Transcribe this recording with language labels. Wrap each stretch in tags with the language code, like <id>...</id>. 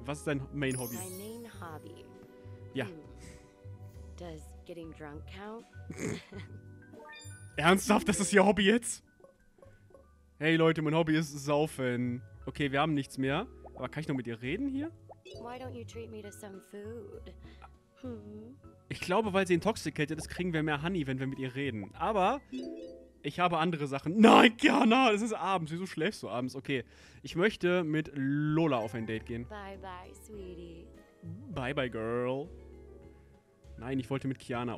<de>Was ist dein Main Hobby?</de> <en>My main hobby.</en> <de>Ja.</de> <en>Does getting drunk count?</en> <de>Ernsthaft, das ist ihr Hobby jetzt? Hey Leute, mein Hobby ist Saufen. Okay, wir haben nichts mehr. Aber kann ich noch mit ihr reden hier?</de> <en>Why don't you treat me to some food?</en> <de>Ich glaube, weil sie intoxicated ist, kriegen wir mehr Honey, wenn wir mit ihr reden. Aber... Ich habe andere Sachen. Nein, Kiana, es ist abends. Wieso schläfst du abends? Okay, ich möchte mit Lola auf ein Date gehen.</de> <en>Bye, bye, sweetie. Bye, bye, girl.</en> <de>Nein, ich wollte mit Kiana.</de>